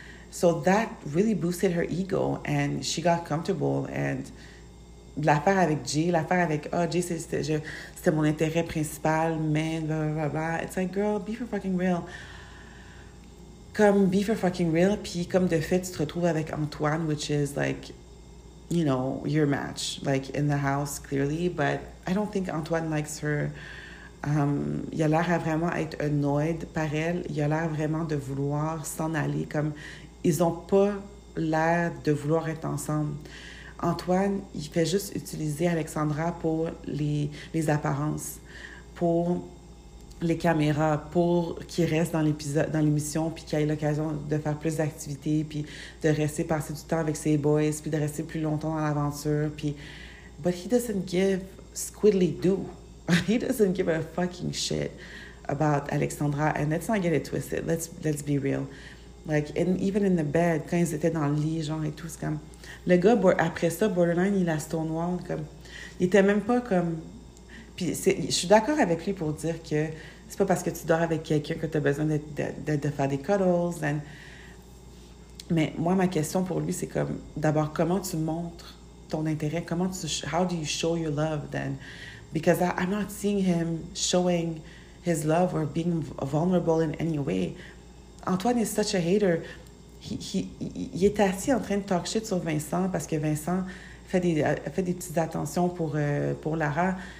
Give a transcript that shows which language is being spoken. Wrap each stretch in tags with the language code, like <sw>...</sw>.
<en>So that really boosted her ego, and she got comfortable, and...</en> <fr>L'affaire avec Jay, l'affaire avec, ah, oh, Jay, c'était mon intérêt principal, mais blablabla.</fr> <en>It's like, girl, be for fucking real. Comme, be for fucking real,</en> <fr>puis comme de fait, tu te retrouves avec Antoine,</fr> <en>which is like, you know, your match, like, in the house, clearly, but I don't think Antoine likes her.</en> <fr>Il a l'air à vraiment être annoyed par elle. Il a l'air vraiment de vouloir s'en aller. Comme, ils ont pas l'air de vouloir être ensemble. Antoine, il fait juste utiliser Alexandra pour les apparences, pour les caméras, pour qu'il reste dans l'épisode, dans l'émission, puis qu'il ait l'occasion de faire plus d'activités, puis de rester passer du temps avec ses boys, puis de rester plus longtemps dans l'aventure.</fr> <en>Puis, but he doesn't give squiddly do. He doesn't give a fucking shit about Alexandra. And let's not get it twisted. Let's be real. Like, and even in the bed,</en> <fr>quand ils étaient dans le lit, genre, et tout, c'est comme... Le gars, après ça, borderline, il a stonewall, comme... Il était même pas comme... Puis, c'est, je suis d'accord avec lui pour dire que c'est pas parce que tu dors avec quelqu'un que t'as besoin de faire des cuddles, and... Mais moi, ma question pour lui, c'est comme... D'abord, comment tu montres ton intérêt? Comment tu...</fr> <en>How do you show your love, then? Because I'm not seeing him showing his love or being vulnerable in any way. Antoine is such a hater.</en> <fr>Il est assis en train de</fr> <en>talk shit</en> <fr>sur Vincent parce que Vincent fait des petites attentions pour Lara.</fr>